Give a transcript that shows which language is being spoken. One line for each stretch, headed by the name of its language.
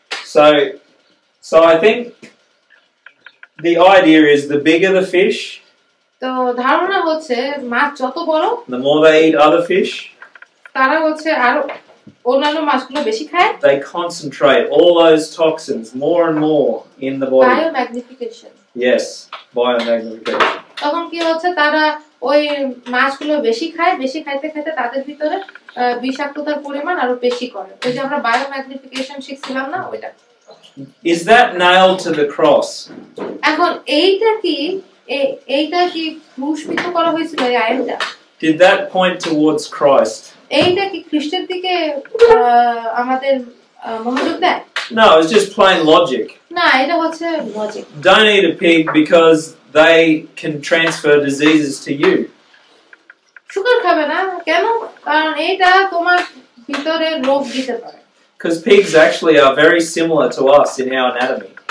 English: So I think the idea is the bigger the fish, the more they eat other fish, they concentrate all those toxins more and more in the body. Biomagnification. Yes, biomagnification.
Bangla: তখন কি হচ্ছে তারা ওই মাছগুলো বেশি খায়, বেশি খাইতে খাইতে তাদের ভিতরে বিষাক্ততার পরিমাণ আরো বেশি করে. ওই যে আমরা বায়োম্যাগনিফিকেশন শিখছিলাম না ওইটা.
English: Is that nailed to the cross?
Bangla: এখন এইটা কি এইটা কি ক্রুশবিদ্ধ করা হয়েছিল এই আয়াতটা?
English: Did that point towards Christ?
Bangla: এইটা কি খ্রিস্টের দিকে আমাদের মনোযোগ দেয়?
English: No, it's just plain logic. Don't eat a pig because they can transfer diseases to you. Because pigs actually are very similar to us in our anatomy.